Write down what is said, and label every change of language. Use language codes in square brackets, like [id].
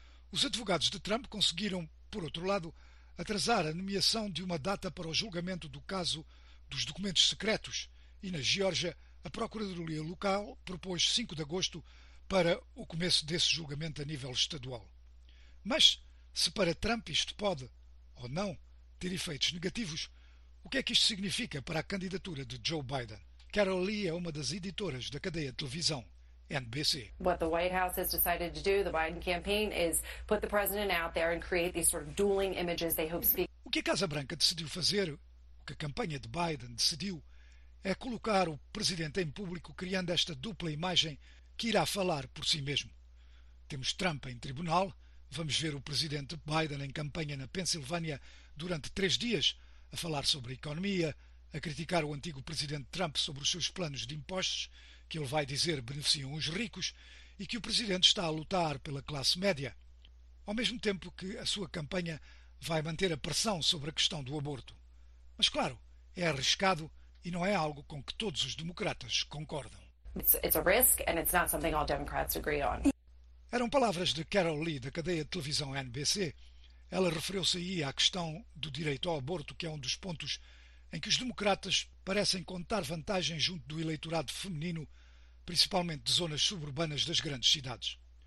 [pt] Os advogados de Trump conseguiram, por outro lado, atrasar a nomeação de uma data para o julgamento do caso dos documentos secretos, e na Geórgia, a Procuradoria local propôs 5 de agosto para o começo desse julgamento a nível estadual. Mas, se para Trump isto pode, ou não, ter efeitos negativos, o que é que isto significa para a candidatura de Joe Biden? Carol Lee é uma das editoras da cadeia de televisão NBC. [en] What the White House has decided to do, the Biden campaign, is put the president out there and create these sort of dueling images they hope speak. [pt] O que a Casa Branca decidiu fazer, o que a campanha de Biden decidiu, é colocar o presidente em público criando esta dupla imagem que irá falar por si mesmo. Temos Trump em tribunal, vamos ver o presidente Biden em campanha na Pensilvânia durante 3 dias, a falar sobre a economia, a criticar o antigo presidente Trump sobre os seus planos de impostos, que ele vai dizer beneficiam os ricos, e que o presidente está a lutar pela classe média, ao mesmo tempo que a sua campanha vai manter a pressão sobre a questão do aborto. Mas, claro, é arriscado e não é algo com que todos os democratas concordam. [en] It's a risk and it's not something all Democrats agree on. [pt] Eram palavras de Carol Lee, da cadeia de televisão NBC. Ela referiu-se aí à questão do direito ao aborto, que é um dos pontos em que os democratas parecem contar vantagem junto do eleitorado feminino, principalmente de zonas suburbanas das grandes cidades.